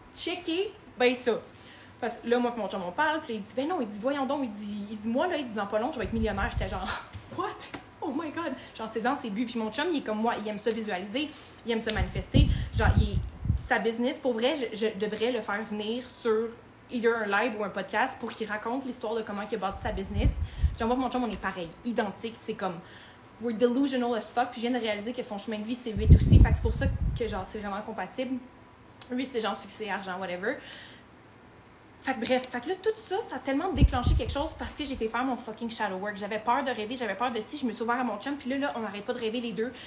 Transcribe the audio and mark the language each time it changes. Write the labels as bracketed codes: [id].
[fr] Checkez bien ça. Parce que là, moi et mon chum, on parle, puis il dit, ben non, il dit, voyons donc, il dit, moi, là, il dit, dans pas long, je vais être millionnaire. J'étais genre, [en] what? Oh my God! [fr] Genre, c'est dans ses buts. Puis mon chum, il est comme moi, il aime se visualiser, il aime se manifester. Genre, il, sa business, pour vrai, je devrais le faire venir sur either un live ou un podcast pour qu'il raconte l'histoire de comment il a bâti sa business. J'en vois que mon chum, on est pareil, identique. C'est comme, [en] we're delusional as fuck. [fr] Puis je viens de réaliser que son chemin de vie, c'est 8 aussi. Fait que c'est pour ça que, genre, c'est vraiment compatible. Lui, c'est genre succès, argent, whatever. Fait que bref, fait que là, tout ça, ça a tellement déclenché quelque chose parce que j'étais faire mon fucking shadow work. J'avais peur de rêver, j'avais peur de si je me suis ouvert à mon chum. Puis là, on n'arrête pas de rêver les deux.